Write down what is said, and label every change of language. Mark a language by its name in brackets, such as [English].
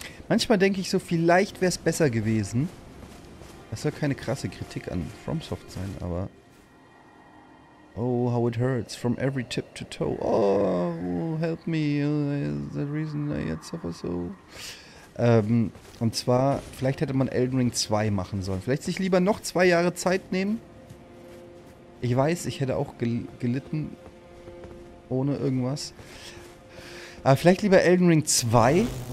[German] Manchmal denke ich so, vielleicht wäre es besser gewesen. Das soll keine krasse Kritik an FromSoft sein, aber... [English] Oh, how it hurts from every tip to toe. Oh, help me. That's the reason I yet suffer so. [German] Und zwar, vielleicht hätte man Elden Ring 2 machen sollen. Vielleicht sich lieber noch 2 Jahre Zeit nehmen. Ich weiß, ich hätte auch gelitten. Ohne irgendwas. Aber vielleicht lieber Elden Ring 2.